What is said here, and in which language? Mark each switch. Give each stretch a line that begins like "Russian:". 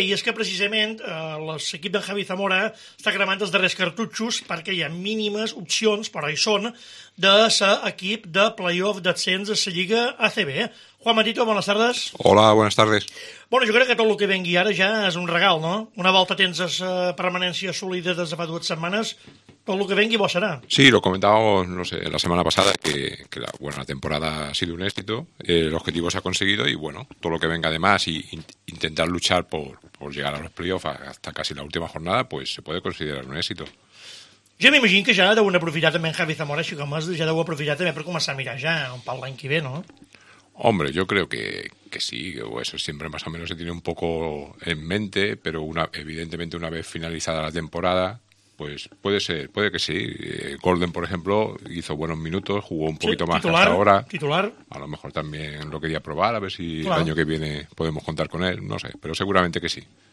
Catalan: I és que precisament l'equip d'en Javi Zamora està cremant els darrers cartutxos perquè hi ha mínimes opcions, però hi són, de l'equip de play-off d'ascens a la Lliga ACB. Juan Matito, bones tardes.
Spanish: Hola, buenas tardes.
Catalan: Bueno, jo crec que tot el que vengui ara ja és un regal, no? Una volta tens la permanència sòlida des de fa dues setmanes, tot el que vengui bo serà.
Spanish: Sí, lo comentábamos, no sé,
Catalan: la setmana passada,
Spanish: que la, bueno, la temporada ha sido un éxito, el objetivo se ha conseguido y, bueno, todo lo que venga además y intentar luchar por llegar a los playoffs hasta casi la última jornada, pues se puede considerar un éxito.
Catalan: Ja m'imagino que ja deu aprofitar també en Javi Zamora, així com ja deu aprofitar també per començar a mirar ja un pal l'any que ve, no?
Spanish: Hombre, yo creo que sí, o eso siempre más o menos se tiene un poco en mente, pero evidentemente una vez finalizada la temporada, pues puede ser, puede que sí. Golden, por ejemplo, hizo buenos minutos, jugó un poquito más hasta ahora. Titular. A lo mejor también lo quería probar, a ver si claro. El año que viene podemos contar con él, no sé, pero seguramente que sí.